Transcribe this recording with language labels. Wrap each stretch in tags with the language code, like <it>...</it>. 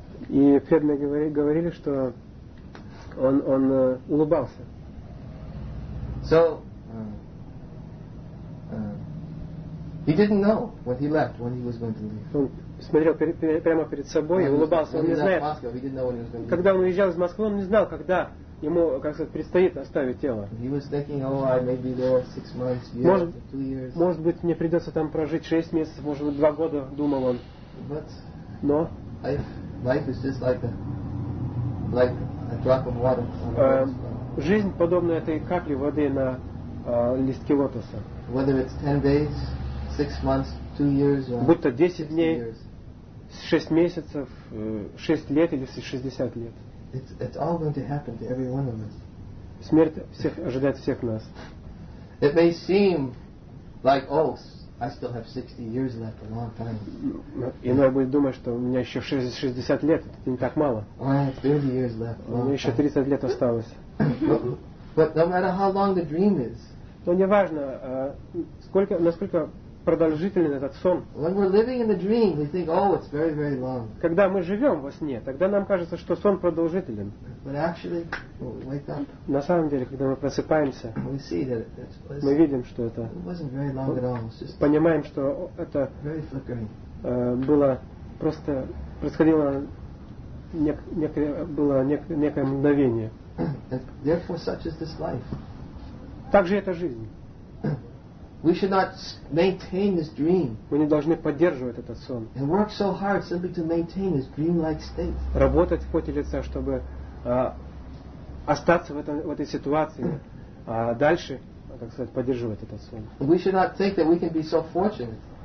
<ru>И преданные говорили, что он улыбался.</ru> <en>So, He didn't know when he left, when he was going to leave.</en> <ru>Он смотрел прямо перед собой и улыбался. Он не знает, когда он уезжал из Москвы, он не знал, когда ему, как сказать, предстоит оставить тело.</ru> <en>He was thinking, oh, I may be there 6 months, year, 2 years.</en> <ru>Может быть, мне придется там прожить 6 месяцев, может быть, 2 года, думал он.</ru> <en>But</en> <ru>но</ru> <en>life is just like a drop of water.</en> <ru>Жизнь подобна этой капле воды на листке лотоса.</ru> <en>Whether it's 10 days, 6 months, 2 years, or</en> <ru>будь то 10 дней, 6 месяцев, 6 лет или 60 лет.</ru> <en>It's all going to happen to every one of us.</en> <ru>Смерть всех ожидает всех нас.</ru> <en>It may seem like, oh, I still have 60 years left, a long time.</en> <ru>Иной будет думать, что у меня еще 60 лет, это не так мало.</ru> <en>I have 30 years left.</en> <ru>У меня еще 30 лет осталось.</ru> <en>But no matter how long the dream is.</en> <ru>Но не важно, насколько продолжительный этот сон.</ru> <en>When we're living in the dream, we think, oh, it's very, very long.</en> <ru>Когда мы живем во сне, тогда нам кажется, что сон продолжителен.</ru> <en>But actually, wake up.</en> <ru>На самом деле, когда мы просыпаемся,</ru> <en>we see that it's,</en> <ru>мы видим, что это.</ru> <en>It wasn't very long at all. It's just</en> <ru>понимаем, что это</ru> <en>very flickering.</en> <ru>Было просто происходило некое мгновение.</ru> <en>Therefore, such is this life.</en> <ru>Так же это жизнь.</ru> <en>We should not maintain this dream.</en> <ru>Мы не должны поддерживать этот сон.</ru> <en>And work so hard simply to maintain this dream-like state.</en> <ru>Работать в поте лица, чтобы остаться в этой ситуации, а дальше, так сказать, поддерживать этот сон.</ru> <en>We should not think that we can be so fortunate.</en>